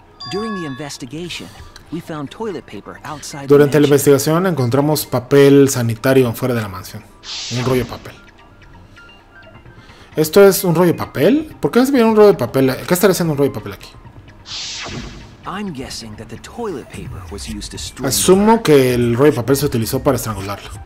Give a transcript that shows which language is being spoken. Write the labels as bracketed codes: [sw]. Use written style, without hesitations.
[en] During the investigation, we found toilet paper outside. [es] Durante la investigación encontramos papel sanitario fuera de la mansión. Un rollo de papel. ¿Esto es un rollo de papel? ¿Por qué se viene un rollo de papel? ¿Qué estaría haciendo un rollo de papel aquí? [en] I'm guessing that the toilet paper was used to strangle. [es] Asumo que el rollo de papel se utilizó para estrangularlo.